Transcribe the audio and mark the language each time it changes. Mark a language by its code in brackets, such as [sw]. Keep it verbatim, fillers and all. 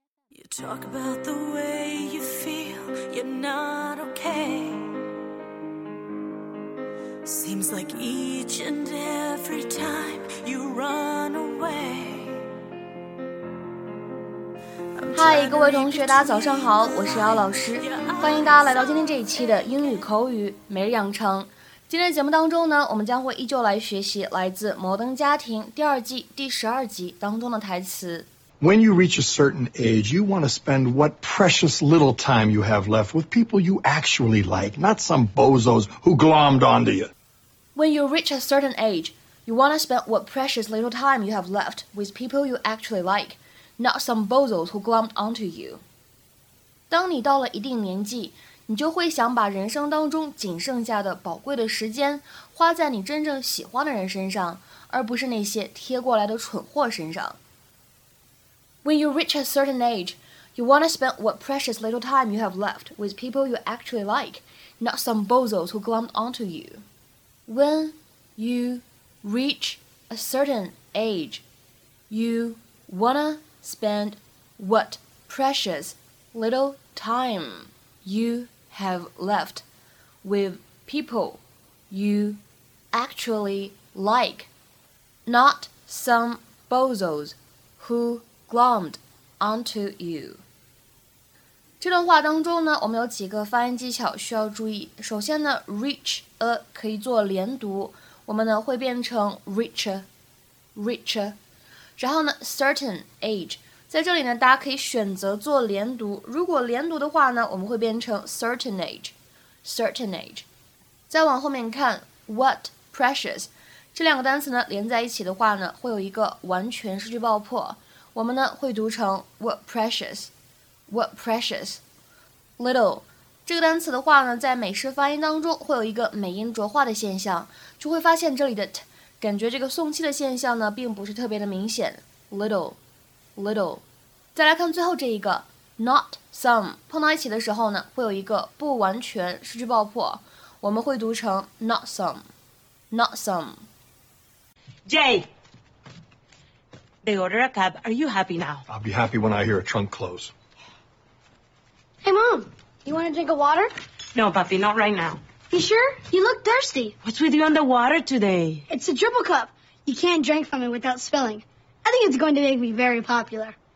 [en] You talk about the way you feel, you're not okay. Seems like each and every time you run away. [zh] 嗨，各位同学，大家早上好，我是姚老师，欢迎大家来到今天这一期的英语口语每日养成。今天的节目当中呢，我们将会依旧来学习来自《摩登家庭》第二季第十二集当中的台词。 [en] When you reach a certain age, you want to spend what precious little time you have left with people you actually like, not some bozos who glommed onto you. When you reach a certain age, you want to spend what precious little time you have left with people you actually like, not some bozos who glommed onto you. [zh] 当你到了一定年纪，你就会想把人生当中仅剩下的宝贵的时间花在你真正喜欢的人身上，而不是那些贴过来的蠢货身上。 [en] When you reach a certain age, you want to spend what precious little time you have left with people you actually like, not some bozos who glommed onto you. When you reach a certain age, you want to spend what precious little time you have left with people you actually like, not some bozos who glommed onto you. [zh] 这段话当中呢，我们有几个发音技巧需要注意。首先呢 ，reach a 可以做连读，我们呢会变成 richer, richer。然后呢 ，certain age， 在这里呢，大家可以选择做连读。如果连读的话呢，我们会变成 certain age, certain age。再往后面看 ，what precious， 这两个单词呢连在一起的话呢，会有一个完全失去爆破。我们呢会读成 what precious, what precious, little 这个单词的话呢，在美式发音当中会有一个美音浊化的现象，就会发现这里的 t 感觉这个送气的现象呢，并不是特别的明显。 little, little。再来看最后这一个 not some 碰到一起的时候呢，会有一个不完全失去爆破，我们会读成 not some, not some。 [en] Jay. They order a cab. Are you happy now? I'll be happy when I hear a trunk close. Hey, Mom, you want to drink a water? No, Papi, not right now. You sure? You look thirsty. What's with you on the water today? It's a triple cup. You can't drink from it without spilling. I think it's going to make me very popular.